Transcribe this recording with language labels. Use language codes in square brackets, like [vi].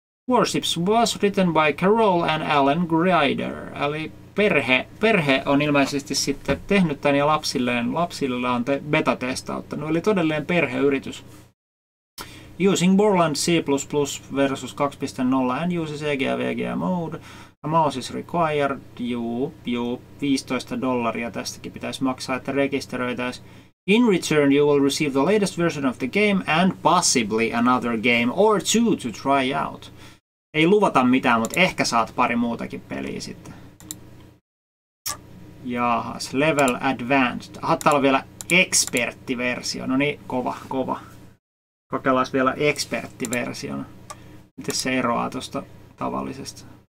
[en] Warships was written by Carol and Alan Grider. [fi] Eli Perhe on ilmeisesti sitten tehnyt tämän ja lapsillaan beta-testauttanut, eli todellinen perheyritys. [en] Using Borland C++ versus 2.0 and uses EGA-VGA mode. A mouse is required. [fi] Juu, $15 tästäkin pitäisi maksaa, että rekisteröitäisi. [en] In return you will receive the latest version of the game and possibly another game or two to try out. [fi] Ei luvata mitään, mutta ehkä saat pari muutakin peliä sitten. Jaahas, level advanced. Aha, täällä on vielä eksperttiversio. No niin, kova. Kokeillaan vielä eksperttiversion. Miten se eroaa tuosta tavallisesta?